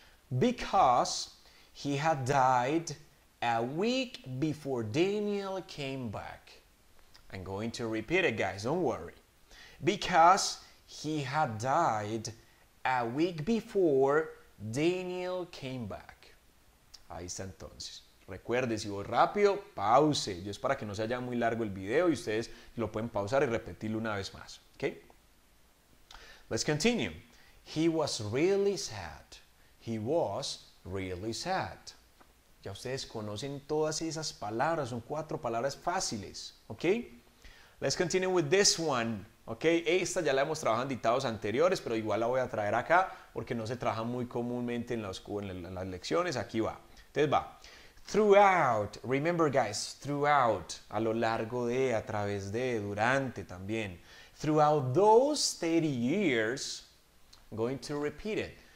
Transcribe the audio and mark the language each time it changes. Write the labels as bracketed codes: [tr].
[en] Because he had died a week before Daniel came back. I'm going to repeat it, guys. Don't worry. Because he had died a week before Daniel came back. [es] Ahí está entonces. Recuerde, si voy rápido, pause. Yo es para que no se haya muy largo el video y ustedes lo pueden pausar y repetirlo una vez más. [en] ¿Okay? Let's continue. He was really sad. [es] He was really sad. Ya ustedes conocen todas esas palabras. [en] Son cuatro palabras fáciles. ¿Okay? Let's continue with this one. ¿Okay? [es] Esta ya la hemos trabajado en dictados anteriores, pero igual la voy a traer acá porque no se trabaja muy comúnmente en las lecciones. Aquí va. Entonces va. Throughout, remember guys, throughout, a lo largo de, a través de, durante también. [en] Throughout those 30 years, I'm going to repeat it.